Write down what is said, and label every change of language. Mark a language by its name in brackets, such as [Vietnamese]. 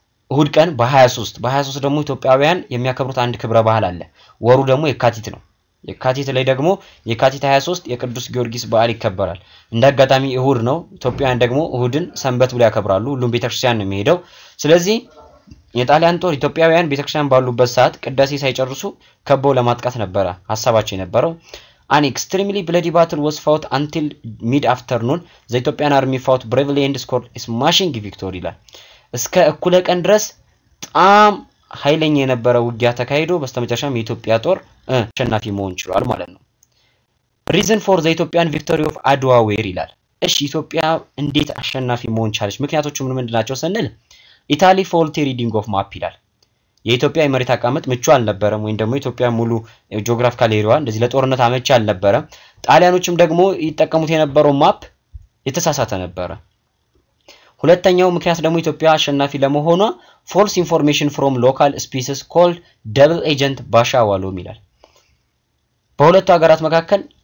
[Amharic] እሁድ ቀን በ23 ደግሞ ኢትዮጵያውያን የሚያከብሩት አንድ ክብረ በዓል አለ። ወሩ ደግሞ የካቲት ነው። የካቲት ላይ ደግሞ የካቲት 23 የቅዱስ ጊዮርጊስ በዓል ይከበራል። እንደጋጣሚ እሁድ ነው። ኢትዮጵያውያን ደግሞ እሁድን ሰንበት ብለው ያከብራሉ። ሁሉም ቤተክርስቲያን ነው የሚሄደው። ስለዚህ የጣሊያን ጦር ኢትዮጵያውያን ቤተክርስቲያን ባሉበት ሰዓት ቅዳሴ ሳይጨርሱ ከበው ለማጥቃት ነበረ ሐሳባቸው የነበረው። [English] An extremely bloody battle was fought until mid afternoon. The Ethiopian army fought bravely and scored a smashing victory. [Amharic] እስከ እኩለ ቀን ድረስ ጣም ኃይለኛ የነበረ ውጊያ ተካሂዶ በስተመጨረሻም የኢትዮጵያ ጦር አሸናፊ መሆን ችሏል ማለት ነው። [English] Reason for the Ethiopian victory of Adwa were [Amharic] ይላል። እሺ ኢትዮጵያ እንዴት አሸናፊ መሆን ቻለች? ምክንያቶቹ ምን ምንድናቸው ስንል [English] Italy faulty reading of map [Amharic] ይላል። የኢትዮጵያ የመሬት አቀማመጥ ምቹ አልነበረም ወይ ደግሞ ኢትዮጵያ ሙሉ ጂኦግራፊካል ኤሪያዋ እንደዚህ ለጦርነት አመቺ አልነበረም። ጣሊያኖችም ደግሞ ይጠቀሙት የነበረው ማፕ የተሳሳተ ነበረ። ሁለተኛው ምክንያት ደግሞ ኢትዮጵያ አሸናፊ ለመሆኗ [English] false information from local species called double agent [Amharic] ባሻዋሎ ይላል። በሁለቱ ሀገራት መካከል